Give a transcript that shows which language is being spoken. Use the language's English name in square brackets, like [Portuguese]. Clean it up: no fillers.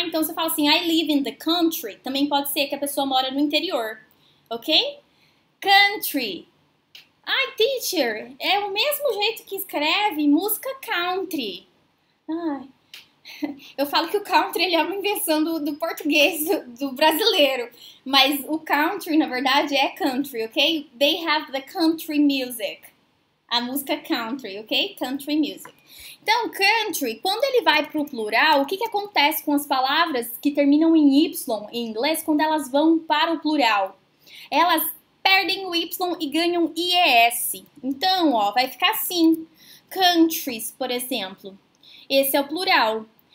[Portuguese] Então, você fala assim, [English] I live in the country, [Portuguese] também pode ser que a pessoa mora no interior, ok? Country. Ai, teacher, é o mesmo jeito que escreve música country. Ai, eu falo que o country ele é uma invenção do português, do brasileiro. Mas o country, na verdade, é country, ok? [English] They have the country music. [Portuguese] A música country, ok? [English] Country music. [Portuguese] Então, country, quando ele vai para o plural, o que que acontece com as palavras que terminam em Y em inglês quando elas vão para o plural? Elas perdem o Y e ganham IES. Então, ó, vai ficar assim. Countries, por exemplo. Esse é o plural.